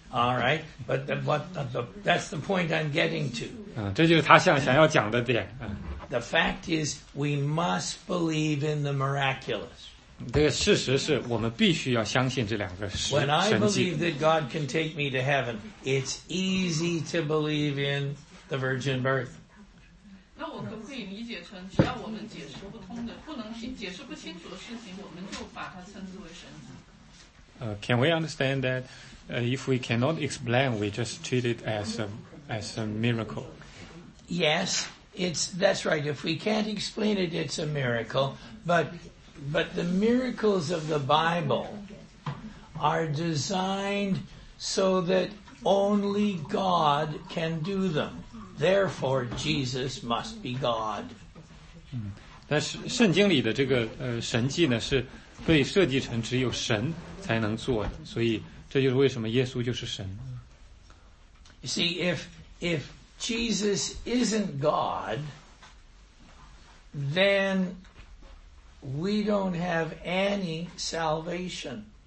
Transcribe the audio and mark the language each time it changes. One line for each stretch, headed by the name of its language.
English: All right, but that's the point I'm getting to.
Chinese: 这就是他想要讲的点。
English: The fact is, we must believe in the miraculous.
Chinese: 这个事实是我们必须要相信这两个神迹。
English: When I believe that God can take me to heaven, it's easy to believe in the virgin birth.
Chinese: 那我可不可以理解成，只要我们解释不通的、不清楚的事情，我们就把它称之为神迹。
English: Can we understand that if we cannot explain, we just treat it as a miracle. Yes, that's right. If we can't explain it, it's a miracle. But the miracles of the Bible are designed so that only God can do them. Therefore, Jesus must be God.
Chinese: 但是圣经里的这个神迹呢，是被设计成只有神才能做的，所以这就是为什么耶稣就是神。
English: You see, if Jesus isn't God, then we don't have any salvation.